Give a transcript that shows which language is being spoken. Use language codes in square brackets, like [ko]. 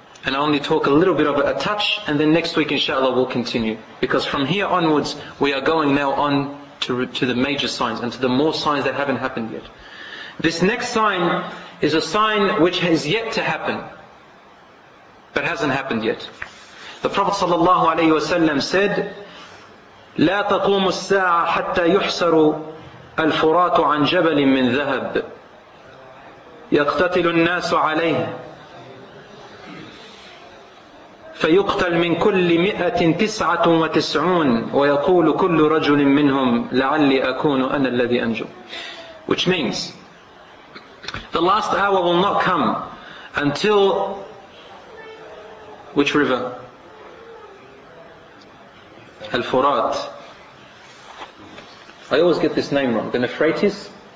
[en] And I only talk a little bit of it, a touch, and then next week inshaAllah we'll continue. Because from here onwards, we are going now on to the major signs and to the more signs that haven't happened yet. This next sign is a sign which has yet to happen, but hasn't happened yet. The Prophet sallallahu alayhi wa sallam said, [ar] لا تقوم الساعة حتى يحسر الفرات عن جبل من ذهب يقتتل الناس عليه فيقتل من كل مئة تسعة وتسعون ويقول كل رجل منهم لعلي أكون أنا الذي أنجو. [en] Which means, the last hour will not come until, which river? Al-Furat. I always get this name wrong. The Euphrates?